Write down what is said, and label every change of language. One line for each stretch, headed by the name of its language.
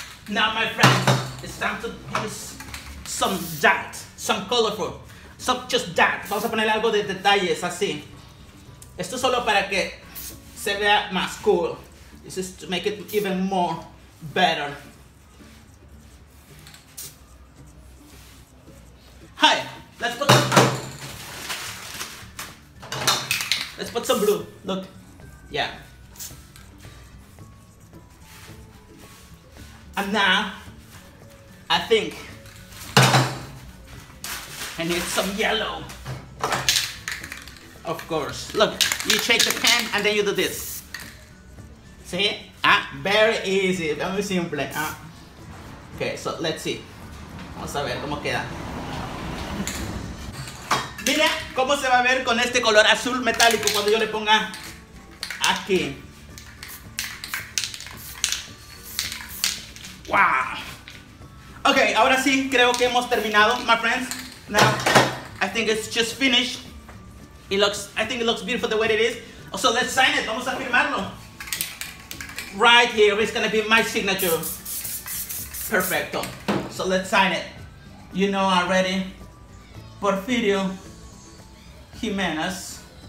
English: Now, my friends, it's time to use some dark. Some colorful. Some just dark.
Spanish: Vamos a poner algo de detalles así. Esto solo para que se vea más cool.
English: This is to make it even more better. Hi, let's put some blue. Look, yeah. And now, I think I need some yellow. Of course. Look, you shake the pen and then you do this. See? Ah, very easy, very simple. Ah. Okay, so let's see.
Spanish: Vamos a ver cómo queda. Mira cómo se va a ver con este color azul metálico cuando yo le ponga aquí. Wow. Okay, ahora sí, creo que hemos terminado,
English: my friends. Now, I think it's just finished. I think it looks beautiful the way it is. So let's sign it,
Spanish: vamos a firmarlo.
English: Right here is gonna be my signature. Perfecto. So let's sign it. You know already. Porfirio Jimenez